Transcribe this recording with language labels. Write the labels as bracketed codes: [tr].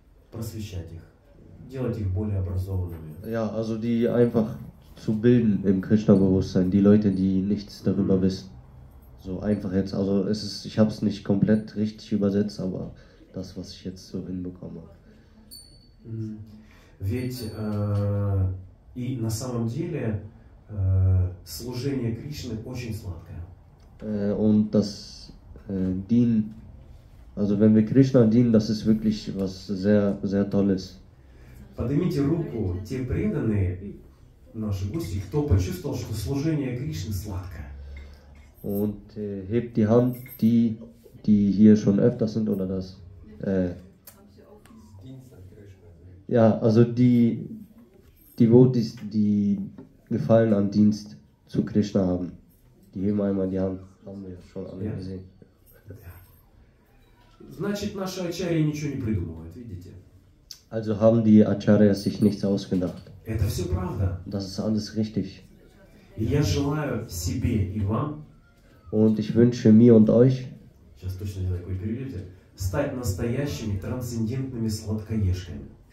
[ru] Просвещать их, делать их более образованными. [de] Ja, also die einfach zu bilden im Krishna-Bewusstsein, die Leute, die nichts darüber wissen. So einfach jetzt, also es ist, ich habe es nicht komplett richtig übersetzt, aber das, was ich jetzt so hinbekomme. [ru] Ведь и на самом деле служение Кришны очень сладкое. [de] Und das Dienen. Also wenn wir Krishna dienen, das ist wirklich was sehr, sehr Tolles. [ru] Поднимите руку, те преданные, наши гости, кто почувствовал, что служение Кришне сладкое. [de] Und hebt die Hand, die hier schon öfter sind, oder das? Ja, also die Devotees, die Gefallen am Dienst zu Krishna haben, die heben einmal die Hand, haben wir schon alle gesehen. [ru] Значит, наши ачарьи ничего не придумывают, видите? [de] Also haben die Acharya sich nichts ausgedacht. [ru] Это все правда. [de] Das ist alles richtig. [ru] И я желаю себе и вам. [de] Und ich wünsche mir und euch. [ru] Сейчас точно не так вы переведете. Стать настоящими трансцендентными сладкоежками.